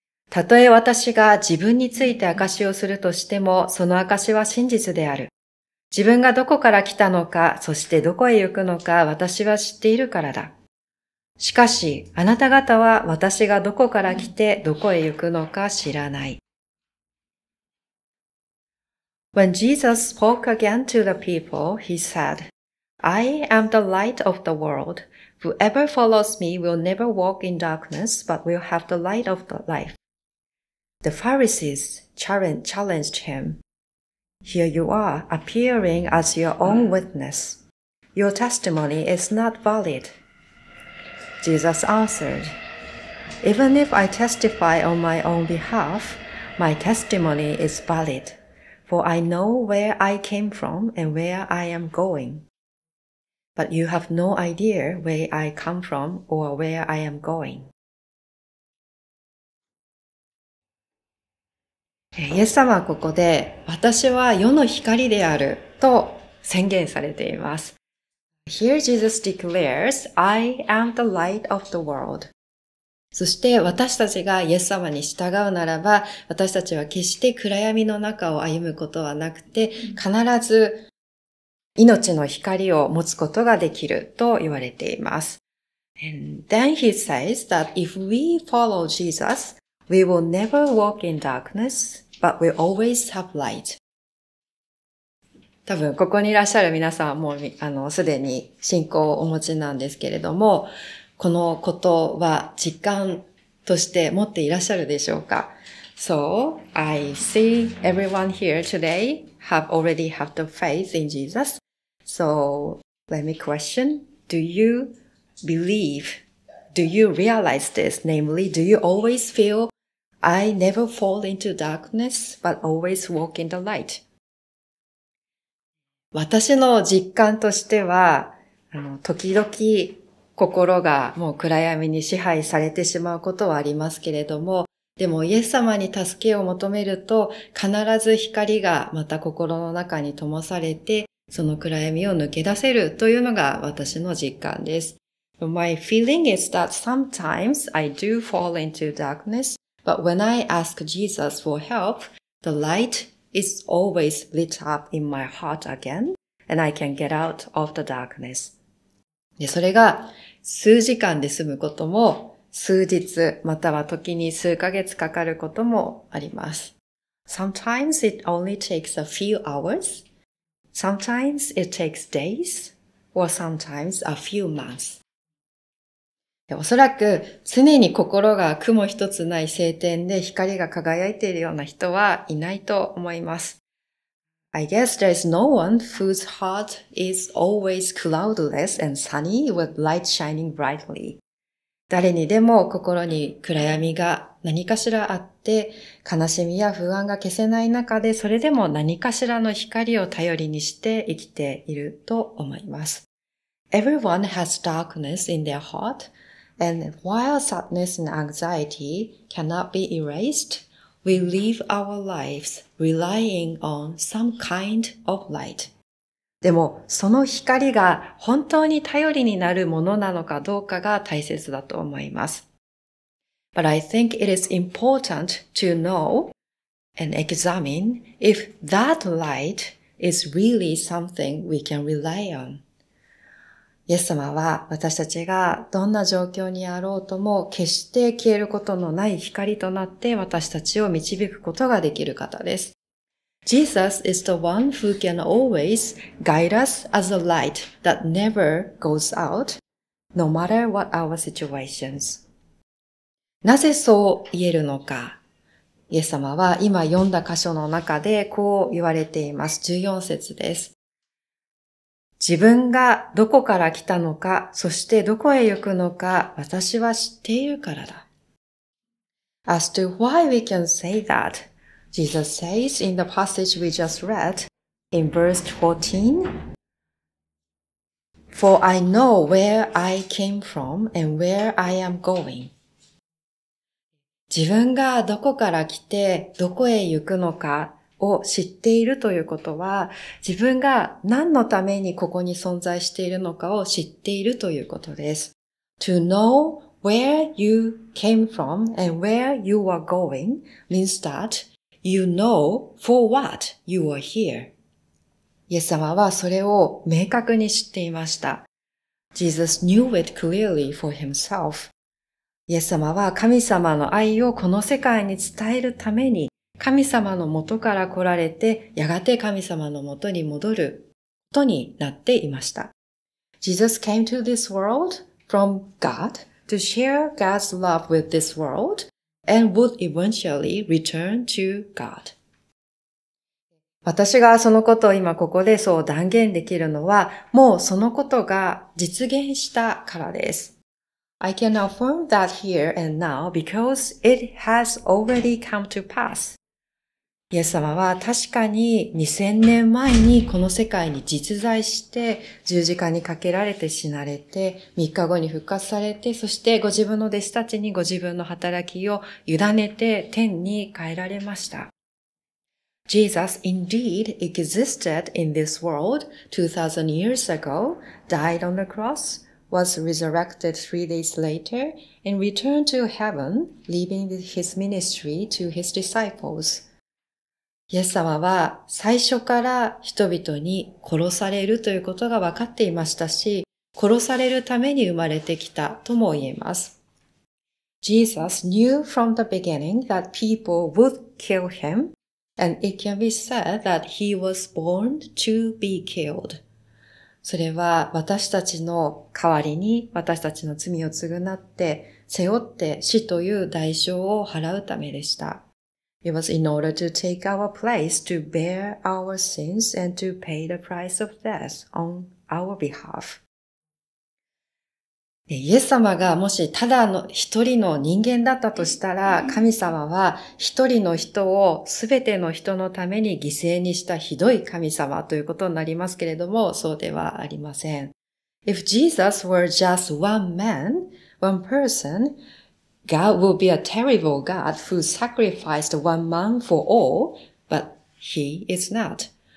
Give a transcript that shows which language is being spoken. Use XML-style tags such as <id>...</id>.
<ja>たとえ私が自分について証をするとしても、その証は真実である。自分がどこから来たのか、そしてどこへ行くのか、私は知っているからだ。しかし、あなた方は私がどこから来て、どこへ行くのか知らない。</ja> <en>When Jesus spoke again to the people, he said,I am the light of the world. Whoever follows me will never walk in darkness, but will have the light of the life. The Pharisees challenged him. Here you are, appearing as your own witness. Your testimony is not valid. Jesus answered, Even if I testify on my own behalf, my testimony is valid, for I know where I came from and where I am going. But you have no idea where I come from or where I am going.</en> <ja>イエス様はここで、私は世の光であると宣言されています。</ja> <en>Here Jesus declares, I am the light of the world.</en> <ja>そして私たちがイエス様に従うならば、私たちは決して暗闇の中を歩むことはなくて、必ず命の光を持つことができると言われています。</ja> <en>And then he says that if we follow Jesus, we will never walk in darkness, but we always have light.</en> <ja>多分、ここにいらっしゃる皆さんも、すでに信仰をお持ちなんですけれども、このことは実感として持っていらっしゃるでしょうか?</ja> <en>So, I see everyone here today have already have the faith in Jesus. So, let me question, do you believe, do you realize this? Namely, do you always feel, I never fall into darkness, but always walk in the light?</en> <ja>私の実感としては、時々心がもう暗闇に支配されてしまうことはありますけれども、でもイエス様に助けを求めると、必ず光がまた心の中に灯されて、その暗闇を抜け出せるというのが私の実感です。</ja> <en>My feeling is that sometimes I do fall into darkness, but when I ask Jesus for help, the light is always lit up in my heart again, and I can get out of the darkness.</en> <ja>で、それが数時間で済むことも、数日または時に数ヶ月かかることもあります。</ja> <en>Sometimes it only takes a few hours,Sometimes it takes days, or sometimes a few months.</en> <ja>おそらく常に心が雲一つない晴天で光が輝いているような人はいないと思います。</ja> <en>I guess there is no one whose heart is always cloudless and sunny with light shining brightly.</en> <ja>誰にでも心に暗闇が何かしらあって、悲しみや不安が消せない中で、それでも何かしらの光を頼りにして生きていると思います。</ja> <en>Everyone has darkness in their heart, and while sadness and anxiety cannot be erased, we live our lives relying on some kind of light.</en> <ja>でも、その光が本当に頼りになるものなのかどうかが大切だと思います。</ja> <en>But I think it is important to know and examine if that light is really something we can rely on.</en> <ja>イエス様は私たちがどんな状況にあろうとも決して消えることのない光となって私たちを導くことができる方です。</ja> <en>Jesus is the one who can always guide us as a light that never goes out, no matter what our situations.</en> <ja>なぜそう言えるのか。イエス様は今読んだ箇所の中でこう言われています。 14節です。自分がどこから来たのか、そしてどこへ行くのか、私は知っているからだ。</ja> <en>As to why we can say that, Jesus says in the passage we just read, in verse 14, For I know where I came from and where I am going.</en> <ja>自分がどこから来て、どこへ行くのか、を知っているということは、自分が何のためにここに存在しているのかを知っているということです。</ja> <en>To know where you came from and where you are going means that you know for what you are here.</en> <ja>イエス様はそれを明確に知っていました。</ja> <en>Jesus knew it clearly for himself.</en> <ja>イエス様は神様の愛をこの世界に伝えるために、神様の元から来られて、やがて神様の元に戻ることになっていました。</ja> <en>Jesus came to this world from God to share God's love with this world and would eventually return to God.</en> <ja>私がそのことを今ここでそう断言できるのは、もうそのことが実現したからです。</ja> <en>I can affirm that here and now because it has already come to pass.</en> <ja>イエス様は確かに2000年前にこの世界に実在して十字架にかけられて死なれて3日後に復活されて、そしてご自分の弟子たちにご自分の働きを委ねて天に帰られました。</ja> <en>Jesus indeed existed in this world 2000 years ago, died on the cross,was resurrected 3 days later and returned to heaven, leaving his ministry to his disciples.</en> <ja>イエス様は最初から人々に殺されるということが分かっていましたし、殺されるために生まれてきたとも言えます。</ja> <en>Jesus knew from the beginning that people would kill him, and it can be said that he was born to be killed.</en> <ja>それは私たちの代わりに私たちの罪を償って背負って死という代償を払うためでした。</ja> <en>It was in order to take our place to bear our sins and to pay the price of death on our behalf.</en> <ja>イエス様がもしただの一人の人間だったとしたら、神様は一人の人を全ての人のために犠牲にしたひどい神様ということになりますけれども、そうではありません。</ja> <en>If Jesus were just one man, one person, God would be a terrible God who sacrificed one man for all, but he is not.</en>